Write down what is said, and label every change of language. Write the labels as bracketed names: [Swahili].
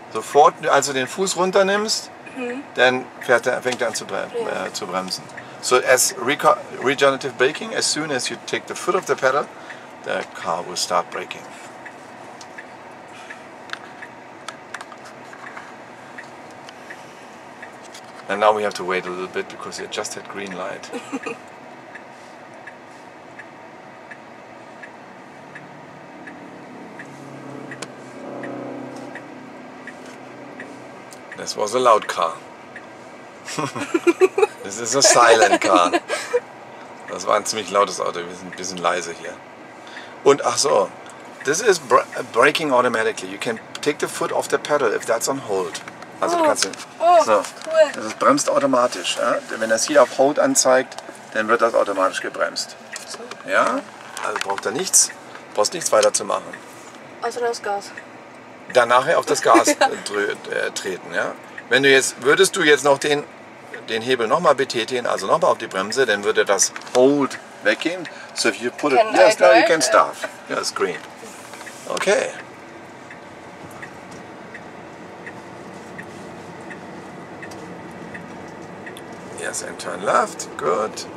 [German] Sofort, also den Fuß runternimmst, dann fängt er an zu bremsen. [English] So as regenerative braking, as soon as you take the foot off the pedal, the car will start braking. And now we have to wait a little bit because it just had green light. This was a loud car. This is a silent car. [German] Das war ein ziemlich lautes Auto. Wir sind ein bisschen leise hier. Und ach so, [English] this is braking automatically. You can take the foot off the pedal if that's on hold. [German] Also du kannst. So, das ist bremst automatisch. Ja? Wenn das hier auf hold anzeigt, dann wird das automatisch gebremst. Ja? Also braucht da nichts. Brauchst nichts weiter zu machen. Also das Gas. Danach auf das Gas treten, ja. Wenn du jetzt, würdest du jetzt noch den Hebel nochmal betätigen, also nochmal auf die Bremse, dann würde das Hold [English] vacuum. So if you put it, now you can start. Yeah, it's green. Okay. Yes, and turn left. Good.